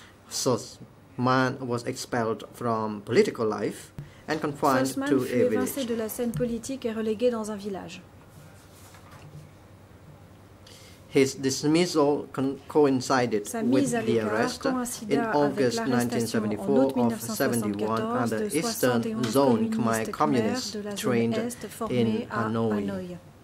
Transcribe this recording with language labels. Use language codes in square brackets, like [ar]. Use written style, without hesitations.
[en] Sosman was expelled from political life and confined Sosman to a village. [fr] Sosman fut évincé de la scène politique et relégué dans un village. [en] His dismissal coincided with the arrest in August 1974 of 71 under Eastern Zone Khmer communists trained in Hanoi.